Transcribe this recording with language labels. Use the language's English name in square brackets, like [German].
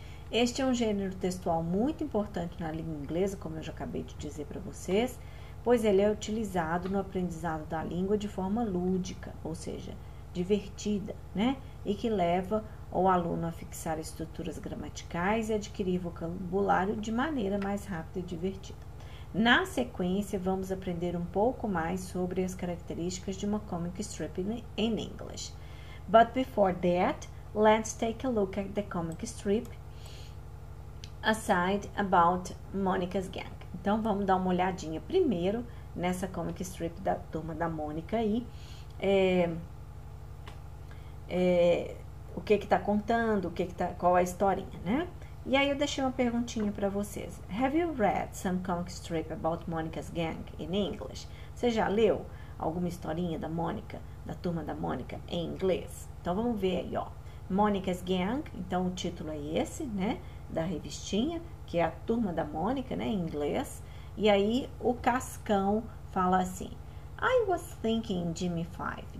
[Portuguese] Este é um gênero textual muito importante na língua inglesa, como eu já acabei de dizer para vocês, pois ele é utilizado no aprendizado da língua de forma lúdica, ou seja, divertida, né? E que leva o aluno a fixar estruturas gramaticais e adquirir vocabulário de maneira mais rápida e divertida. Na sequência, vamos aprender um pouco mais sobre as características de uma [English] comic strip in English. But before that, let's take a look at the comic strip aside about Monica's Gang. [Portuguese] Então, vamos dar uma olhadinha primeiro nessa comic strip da turma da Mônica aí. O que que tá contando, qual a historinha, né? E aí eu deixei uma perguntinha para vocês. [English] Have you read some comic strip about Monica's gang in English? [Portuguese] Você já leu alguma historinha da Mônica, da turma da Mônica em inglês? Então vamos ver aí, ó. Monica's Gang, então o título é esse, né, da revistinha, que é a turma da Mônica, né, em inglês. E aí o Cascão fala assim: [English] I was thinking Jimmy Five.